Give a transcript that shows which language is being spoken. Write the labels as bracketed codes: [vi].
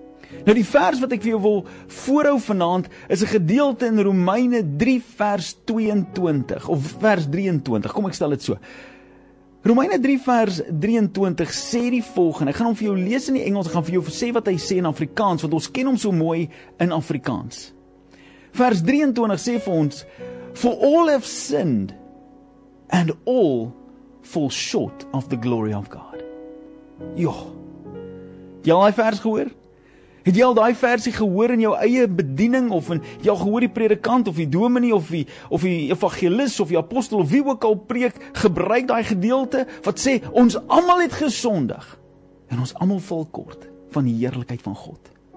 [af] Nou, die vers wat ek vir jou wil voorhou vanaand is 'n gedeelte in Romeine 3 vers 22 of vers 23, kom ek stel dit so. Romeine 3 vers 23 sê die volgende, ek gaan hom vir jou lees in die Engels, ek gaan vir jou sê wat hy sê in Afrikaans, want ons ken hom so mooi in Afrikaans. Vers 23 sê vir ons, [en] for all have sinned and all fall short of the glory of God. [af] Jo, jy al die vers gehoor? Het jy al daai versie gehoor in jou eie bediening, of in, jy al gehoor die predikant, of die dominee, of die evangelis, of die apostel, of wie ook al preek, gebruik daai gedeelte, wat sê, ons allemaal het gesondig, en ons allemaal val kort van die heerlikheid van God.